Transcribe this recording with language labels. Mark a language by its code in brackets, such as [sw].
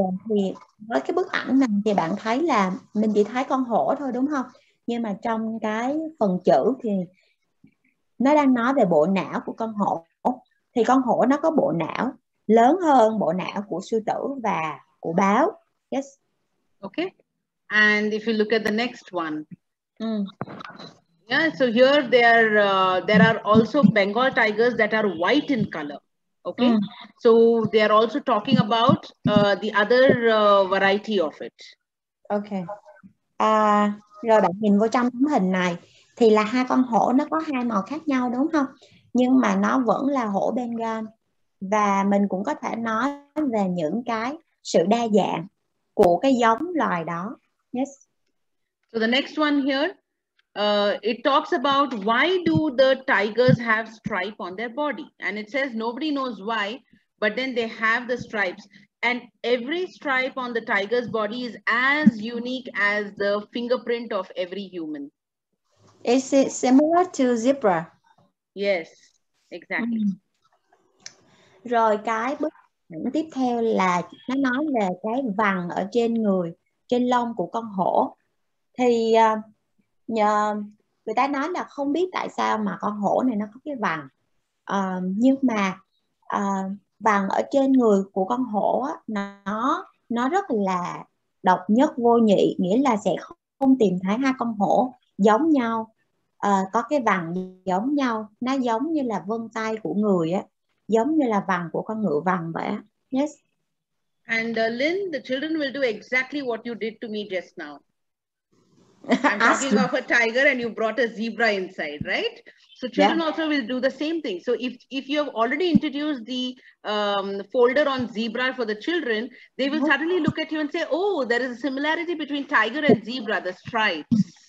[vi] Thì với cái bức ảnh này thì bạn thấy là mình chỉ thấy con hổ thôi đúng không? Nhưng mà trong cái phần chữ thì nó đang nói về bộ não của con hổ. Thì con hổ nó có bộ não lớn hơn bộ não của sư tử và của báo. [en] Yes. Okay. And if you look at the next one. Yeah, so here there are also Bengal tigers that are white in color. Okay. So they are also talking about the other variety of it. Okay. [vi] Rồi bạn nhìn vô trong tấm hình này thì là hai con hổ nó có hai màu khác nhau đúng không? Nhưng mà nó vẫn là hổ Bengal. Và mình cũng có thể nói về những cái sự đa dạng của cái giống loài đó. [en] Yes. So the next one here, it talks about why do the tigers have stripe on their body? And it says nobody knows why, but then they have the stripes. And every stripe on the tiger's body is as unique as the fingerprint of every human. Is it similar to zebra? Yes, exactly. [vi] Rồi cái bức ảnh tiếp theo là nó nói về cái vằn ở trên người, trên lông của con hổ. Thì người ta nói là không biết tại sao mà con hổ này nó có cái vằn. Nhưng mà vằn ở trên người của con hổ á, nó rất là độc nhất vô nhị, nghĩa là sẽ không tìm thấy hai con hổ giống nhau, có cái vằn giống nhau, nó giống như là vân tay của người á, giống như là vằn của con ngựa vằn vậy. [en] Yes. And Lynn, the children will do exactly what you did to me just now. I'm talking of a tiger and you brought a zebra inside, right? So children also will do the same thing. So if you have already introduced the folder on zebra for the children, they will suddenly look at you and say, oh, there is a similarity between tiger and zebra, the stripes.